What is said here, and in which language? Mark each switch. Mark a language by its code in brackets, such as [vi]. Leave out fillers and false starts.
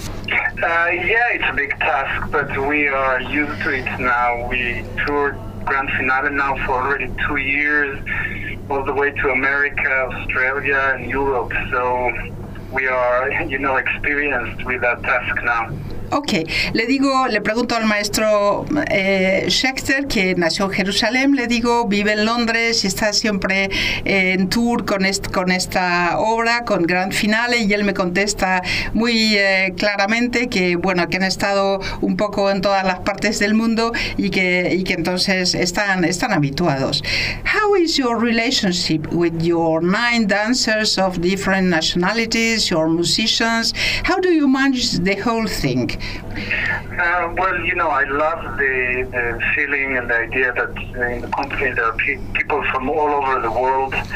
[en] Yeah, it's a big task, but we are used to it now. We toured Grand Finale now for already 2 years, all the way to America, Australia, and Europe. So we are, you know, experienced with that task now. [es] Okay, le pregunto al maestro Schechter, que nació en Jerusalén, le digo, vive en Londres y está siempre en tour con esta obra, con Grand Finale, y él me contesta muy claramente que, bueno, que han estado un poco en todas las partes del mundo y que entonces están habituados. [en] How is your relationship with your 9 dancers of different nationalities, your musicians? How do you manage the whole thing? Well, you know, I love the feeling and the idea that in the company there are people from all over the world.